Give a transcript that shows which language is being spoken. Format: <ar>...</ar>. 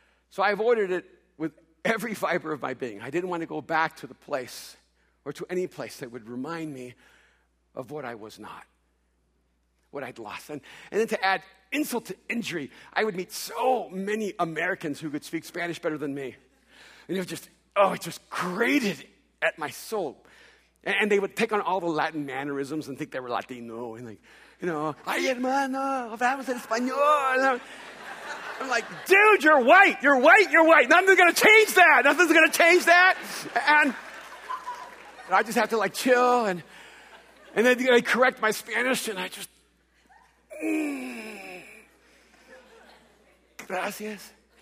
<en>So I avoided it with every fiber of my being. I didn't want to go back to the place or to any place that would remind me of what I was not, what I'd lost. And then to add insult to injury, I would meet so many Americans who could speak Spanish better than me. And it was just, oh, it just grated at my soul. And they would take on all the Latin mannerisms and think they were Latino. And like, you know,</en> <es>ay, hermano, hablamos en español.</es> <en>I'm like, dude, you're white. You're white. You're white. Nothing's going to change that. Nothing's going to change that. And I just have to like chill. And then they correct my Spanish. And I just, gracias.</en>